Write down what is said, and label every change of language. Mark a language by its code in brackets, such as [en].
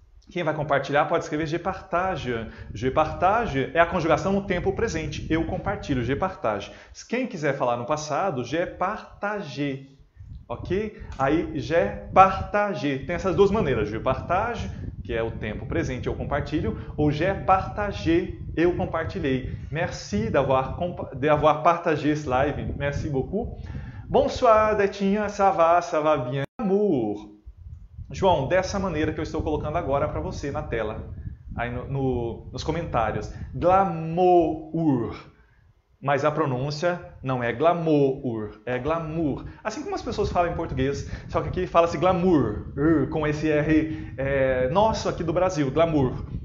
[pt] Quem vai compartilhar pode escrever [fr] je partage. Je partage [pt] é a conjugação no tempo presente. Eu compartilho, [fr] je partage. [pt] Quem quiser falar no passado, je partage. Ok? [fr] Aí, je partage. [pt] Tem essas duas maneiras, [fr] je partage, [pt] que é o tempo presente, eu compartilho, ou [fr] j'ai partagé, [pt] eu compartilhei. [fr] Merci d'avoir partagé [pt] esse live, [fr] merci beaucoup. Bonsoir, Detinha, ça va bien, amour. [pt] João, dessa maneira que eu estou colocando agora para você na tela, aí nos comentários. Glamour, mas a pronúncia não é glamour, é glamour. Assim como as pessoas falam em português, só que aqui fala-se glamour, com esse R nosso aqui do Brasil, glamour.